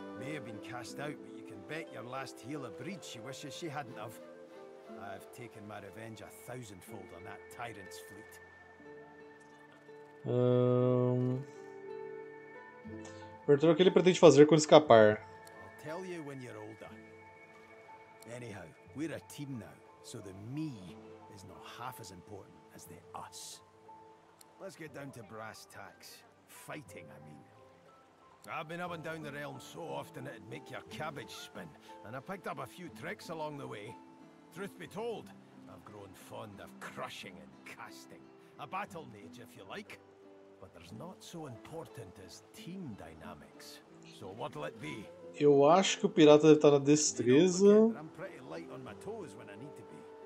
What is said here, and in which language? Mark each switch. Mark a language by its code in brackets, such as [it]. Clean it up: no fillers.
[en] May have been cast out, but you can bet your last heel of breed she wishes she hadn't of. I've taken my revenge a thousandfold on that tyrant's fleet. [pt] Pertor, o que ele pretende fazer quando escapar? [en] I'll tell you when you're older. Anyhow, we're a team now, so the me is not half as important as the us. Let's get down to brass tacks. Fighting, I mean. I've been up and down the realm so often it'd make your cabbage spin, and I picked up a few tricks along the way. Truth be told, I've grown fond of crushing and casting. A battle mage, if you like. But there's not so important as team dynamics. So what'll it be? [pt] Eu acho que o pirata deve estar na destreza. [en] You know, I'm pretty light on my toes when I need to be.